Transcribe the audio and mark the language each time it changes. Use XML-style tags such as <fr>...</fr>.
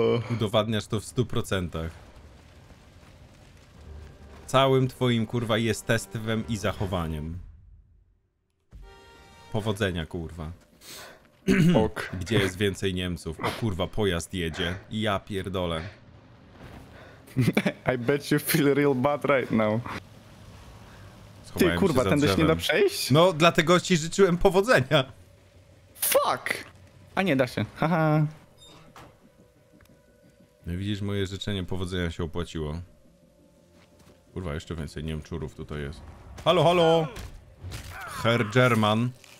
<pl>Udowadniasz to w 100%. Całym twoim kurwa jestestwem i zachowaniem. Powodzenia kurwa. Ok. Gdzie jest więcej Niemców? O kurwa, pojazd jedzie. Ja pierdolę.</pl> <en>I bet you feel real bad right now.</en> <pl>Schowałem ty kurwa, tędy się nie da przejść? No, dlatego ci życzyłem powodzenia. Fuck! A nie, da się. Haha. No widzisz, moje życzenie powodzenia się opłaciło. Kurwa, jeszcze więcej Niemczurów tutaj jest. Halo, halo! Herr German.</pl>